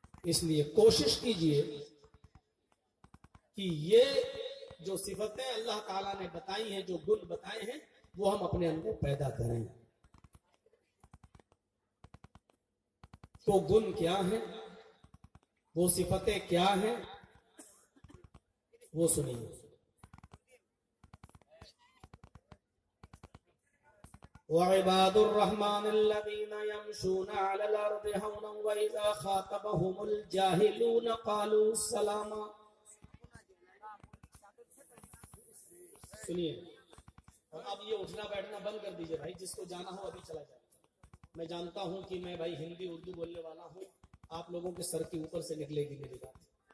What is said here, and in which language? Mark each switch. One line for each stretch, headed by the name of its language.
Urdu: اس لیے کوشش کیجئے کہ یہ جو صفتیں اللہ تعالی نے بتائی ہیں, جو گن بتائے ہیں, وہ ہم اپنے اندر پیدا کریں. تو گن کیا ہیں, وہ صفتیں کیا ہیں, وہ سنیے.
Arabic: وعباد الرحمن الذين يمشون على الارض هونا واذا خاطبهم الجاهلون قالوا سلاما.
Urdu: سنیے, اب یہ اٹھنا بیٹھنا بند کر دیجئے بھائی, جس کو جانا ہو ابھی چلا جائے. میں جانتا ہوں کہ میں بھائی ہندی اردو بولنے والا ہوں, آپ لوگوں کے سر کے اوپر سے نکلے گی میری بات.